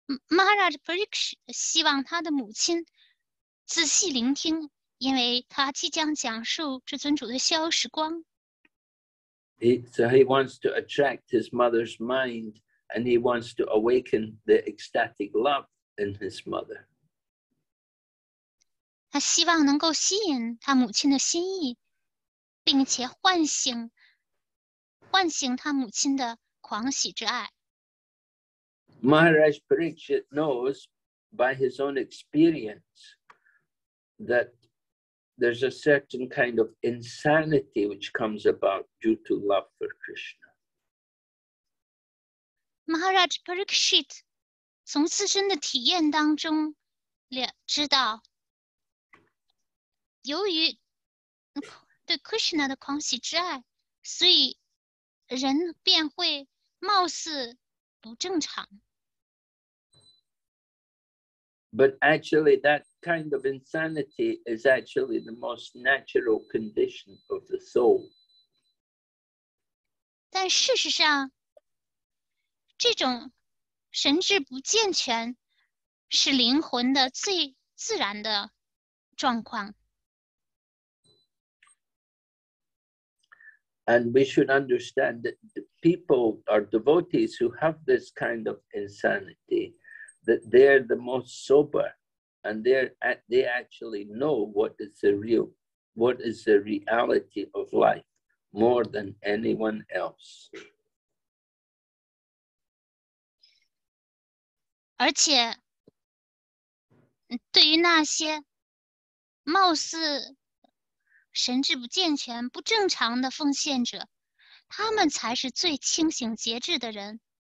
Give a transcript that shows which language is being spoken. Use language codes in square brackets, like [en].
[zh] Maharaj Parikshit 希望他的母亲仔细聆听，因为他即将讲述至尊主的消时光。 [en] So he wants to attract his mother's mind, and he wants to awaken the ecstatic love in his mother. [zh] 他希望能够吸引他母亲的心意，并且唤醒他母亲的狂喜之爱。 [en] Maharaj Parikshit knows by his own experience that there's a certain kind of insanity which comes about due to love for Krishna. Maharaj Parikshit [zh] 从自身的体验当中知道，由于对 Krishna 的狂喜之爱，所以人便会貌似不正常。 [en] But actually, that kind of insanity is actually the most natural condition of the soul. [zh] 但事实上，这种神志不健全是灵魂的最自然的状况。 [en] And we should understand that the people or devotees who have this kind of insanity, that they're the most sober, and they actually know what is the reality of life more than anyone else. [zh] 而且对于那些貌似神志不健全、不正常的奉献者，他们才是最清醒节制的人。